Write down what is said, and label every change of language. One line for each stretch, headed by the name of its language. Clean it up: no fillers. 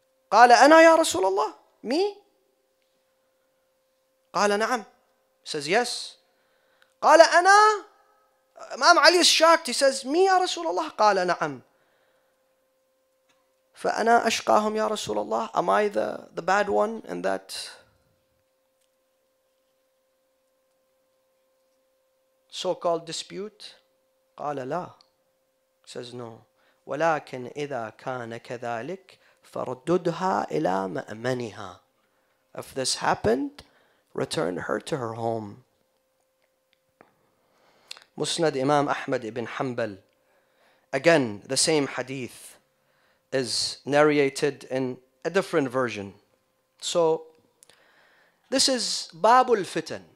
Arabic: قال أنا يا رسول الله me قال نعم
English: says yes
Arabic: قال أنا إمام علي
English: is shocked. He says,
Arabic: مي يا رسول الله؟ قال نعم. فأنا أشقاهم يا رسول الله.
English: Am I the bad one in that so-called dispute?
Arabic: قال لا.
English: He says, no.
Arabic: ولكن إذا كان كذلك فرددها إلى مأمنها.
English: If this happened, return her to her home. Musnad Imam Ahmad ibn Hanbal. Again, the same hadith is narrated in a different version. So, this is Babul Fitan.